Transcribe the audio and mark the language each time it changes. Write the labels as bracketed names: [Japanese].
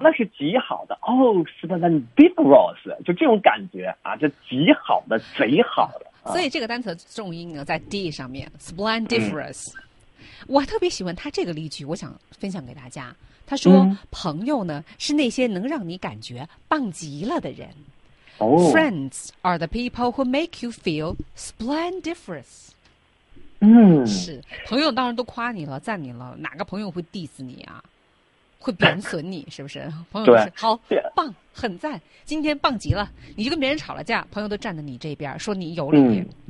[Chinese] 那是极好的哦，是的，那 divorce 就这种感觉啊，这极好的，贼好的。所以这个单词重音呢在 D 上面 splendiferous、嗯、我特别喜欢他这个例句，我想分享给大家。他说、嗯、朋友呢是那些能让你感觉棒极了的人、哦、 [English] Friends are the people who make you feel splendiferous。嗯， [Chinese] 是，朋友当然都夸你了赞你了，哪个朋友会 diss 你啊，会贬损你，是不是？朋友是好棒，很赞，今天棒极了。你就跟别人吵了架，朋友都站在你这边，说你有理。